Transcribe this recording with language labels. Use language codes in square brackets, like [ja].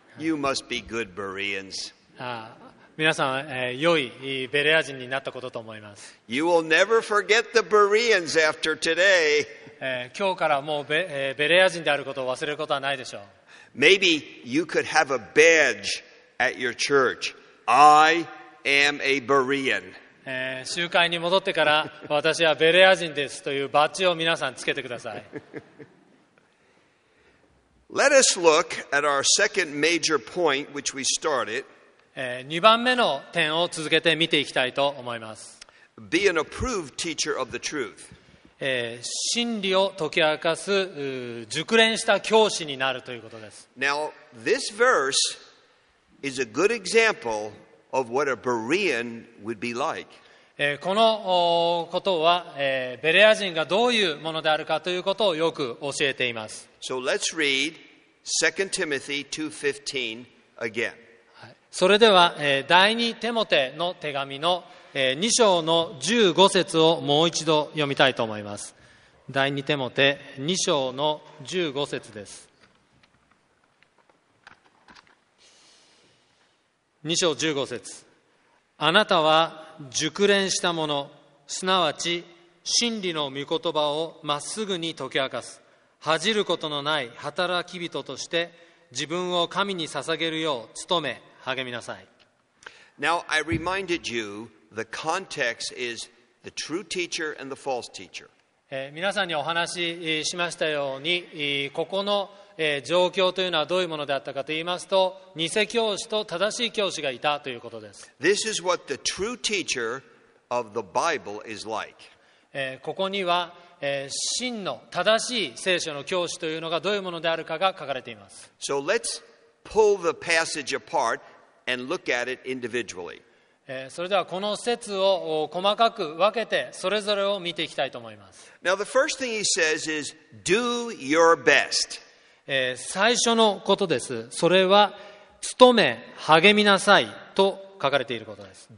[en] You must be good Bereans. [ja] 皆さん、良いベレア人になったことと思います。 [en] You will never forget the Bereans after today. [ja] 今日からもう ベレア人であることを忘れることはないでしょう。 [en] Maybe you could have a badge at your church. I am a Berean. [ja] 集会に戻ってから私はベレア人ですというバッジを皆さんつけてください。 [en] Let us look at our second major point, which we started. [ja] 2番目の点を続けて見ていきたいと思います。 [en] Be an approved teacher of the truth. [ja] 真理を解き明かす熟練した教師になるということです。 [en] Now, this verse is a good example. Of what a Berean would be like. [ja] このことは、ベレア人がどういうものであるかということをよく教えています。 [en] So let's read 2 Timothy 2:15 again. [ja] それでは、第二テモテの手紙の、2章の15節をもう一度読みたいと思います。第二テモテ2章の15節です。 2章15節、あなたは熟練したもの、すなわち真理の御言葉をまっすぐに解き明かす、恥じることのない働き人として自分を神に捧げるよう努め励みなさい。 [en] Now I reminded you the context is the true teacher and the false teacher. [ja] 皆さんにお話ししましたように、ここの状況というのはどういうものであったかと言いますと、偽教師と正しい教師がいたということです。 [en] This is what the true teacher of the Bible is like. [ja] ここには真の正しい聖書の教師というのがどういうものであるかが書かれています。 [en] So let's pull the passage apart and look at it individually. [ja] それではこの節を細かく分けてそれぞれを見ていきたいと思います。 [en] Now the first thing he says is do your best. [ja] 最初のことです。それは努め励みなさいと書かれていることです。